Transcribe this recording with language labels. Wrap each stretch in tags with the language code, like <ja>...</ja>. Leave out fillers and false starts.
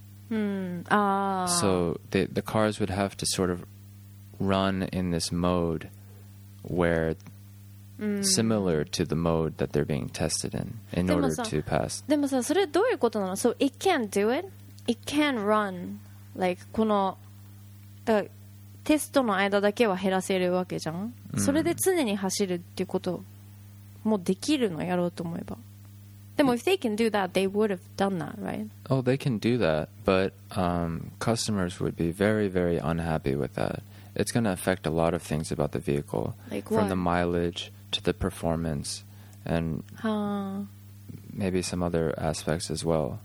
<en>So the cars would have to sort of run in this mode where similar to the mode that they're being tested in order to pass.</en> <ja>でもさ、それどういうことなの?</ja> <en>So it can do it. It can run.</en> <ja>Like このテストの間だけは減らせるわけじゃん。それで常に走るっていうこともできるの、やろうと思えば。</ja> <en>でも if they can do that, they would have done that, right? Oh, they can do that, but customers would be very, very unhappy with that. It's going to affect a lot of things about the vehicle. Like what? From the mileage to the performance and maybe some other aspects as well.</en>